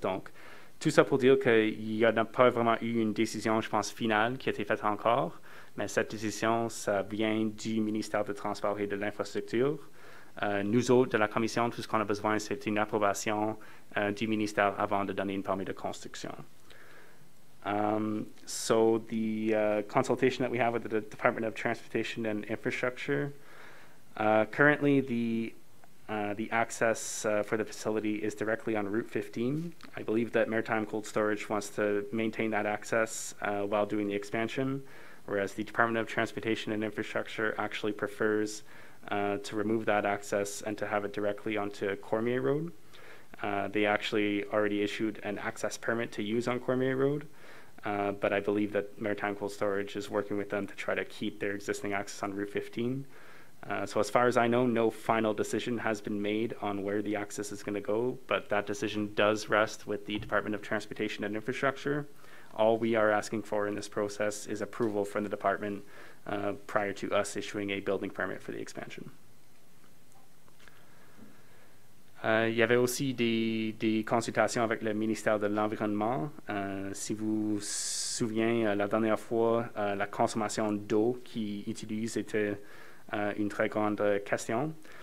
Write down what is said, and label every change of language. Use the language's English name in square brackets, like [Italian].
[French] Donc, tout ça pour dire qu'il n'y en a pas vraiment eu une décision, je pense, finale qui a été faite encore, mais cette décision, ça vient du ministère des Transports et de l'Infrastructure. Nous autres, de la Commission, tout ce qu'on a besoin, c'est une approbation du ministère avant de donner une permis de construction. [English] So the consultation that we have with the Department of Transportation and Infrastructure, currently the access for the facility is directly on Route 15. I believe that Maritime Cold Storage wants to maintain that access while doing the expansion, whereas the Department of Transportation and Infrastructure actually prefers to remove that access and to have it directly onto Cormier Road. They actually already issued an access permit to use on Cormier Road, but I believe that Maritime Cold Storage is working with them to try to keep their existing access on Route 15. So as far as I know, no final decision has been made on where the access is going to go, but that decision does rest with the Department of Transportation and Infrastructure. All we are asking for in this process is approval from the department prior to us issuing a building permit for the expansion. [French] Il y avait aussi des consultations avec le ministère de l'Environnement. Si vous vous souvenez, la dernière fois, la consommation d'eau qu'ils utilisent était une très grande question.